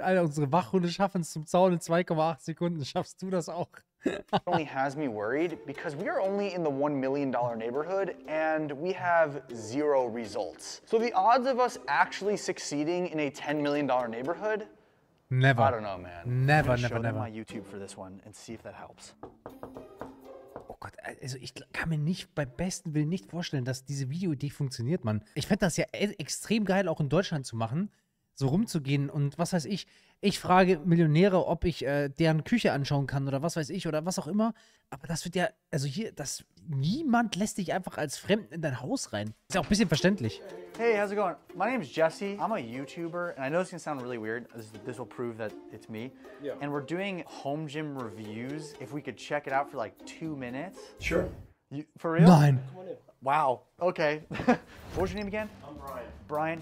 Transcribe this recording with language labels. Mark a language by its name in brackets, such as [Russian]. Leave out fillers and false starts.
[German] Alter, unsere Wachhunde schaffen es zum Zaun in 2,8 Sekunden. Schaffst du das auch? [English] Definitely has me worried because we are only in the $1 million neighborhood and we have zero results. So the odds of us actually succeeding in a $10 million neighborhood... Never. I don't know, man. Never. My YouTube for this one and see if that helps. [German] Oh Gott, also ich kann mir nicht beim besten Willen nicht vorstellen, dass diese Videoidee funktioniert, Mann. Ich fände das ja extrem geil, auch in Deutschland zu machen, so rumzugehen und was weiß ich. Ich frage Millionäre, ob ich deren Küche anschauen kann oder was weiß ich oder was auch immer. Aber das wird ja, also hier, das, niemand lässt dich einfach als Fremden in dein Haus rein. Ist ja auch ein bisschen verständlich. [English] Hey, how's it going? My name is Jesse. I'm a YouTuber. And I know this can sound really weird. This will prove that it's me. Yeah. And we're doing home gym reviews. If we could check it out for like 2 minutes. Sure. You, for real? [German] Nein. [English] Wow. Okay. What's your name again? I'm Brian.